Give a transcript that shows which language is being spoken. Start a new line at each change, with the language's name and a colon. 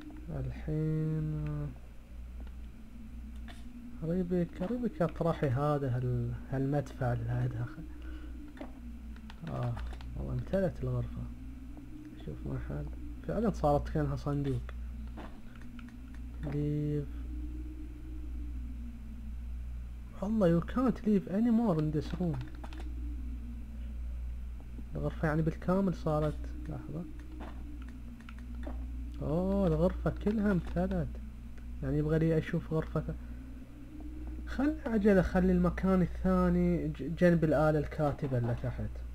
Arabic: الحين قريبك اطرحي هذا هالمدفع هذا. والله امتلت الغرفة، شوف ما حال فعلا صارت كأنها صندوق.
English: leave والله you can't leave anymore in this room.
Arabic: الغرفة يعني بالكامل صارت، لحظة، الغرفة كلها امتلت، يعني يبغى لي اشوف غرفة. خلي المكان الثاني جنب الآلة الكاتبة اللي تحت.